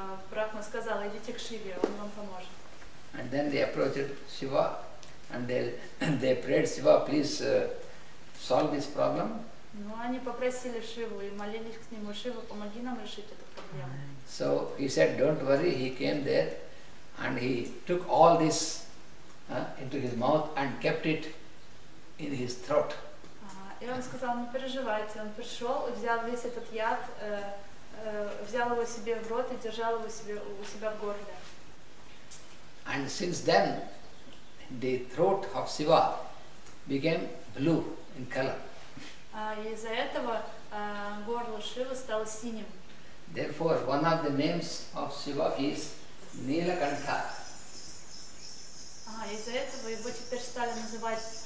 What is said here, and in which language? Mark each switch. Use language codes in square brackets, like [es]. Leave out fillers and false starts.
[ru] Брахма сказала, идите к Шиве, он вам поможет. [en] And then they approached Shiva, and they prayed, Shiva, please solve this problem. [ru] Ну, они попросили Шиву и молились к нему, Шива, помоги нам решить эту проблему. [en] So he said, don't worry, he came there, and he took all this into his mouth and kept it in his throat. [ru] И он сказал, не переживайте, он пришел и взял весь этот яд, взял его себе в рот и держал его себе, у себя в горле. [en] And since then, the throat of Shiva became blue in color. [ru] Из-за этого горло Шивы стало синим. [en] Therefore, one of the names of Shiva is Neelakantha. [ru] Из-за этого его теперь стали называть